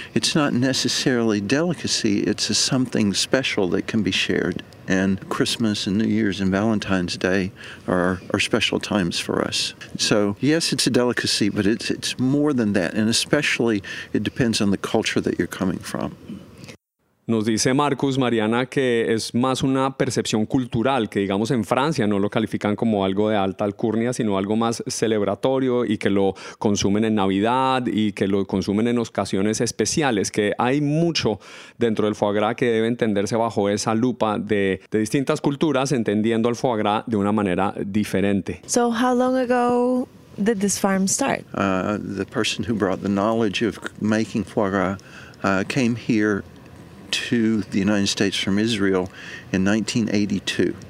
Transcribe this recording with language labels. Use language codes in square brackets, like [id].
[en] It's not necessarily delicacy, it's a something special that can be shared. And Christmas and New Year's and Valentine's Day are special times for us. So yes, it's a delicacy, but it's more than that. And especially it depends on the culture that you're coming from. [es] Nos dice Marcus, Mariana, que es más una percepción cultural, que digamos en Francia no lo califican como algo de alta alcurnia, sino algo más celebratorio y que lo consumen en Navidad y que lo consumen en ocasiones especiales, que hay mucho dentro del foie gras que debe entenderse bajo esa lupa de distintas culturas, entendiendo el foie gras de una manera diferente. [en] So how long ago did this farm start? The person who brought the knowledge of making foie gras came here to the United States from Israel in 1982.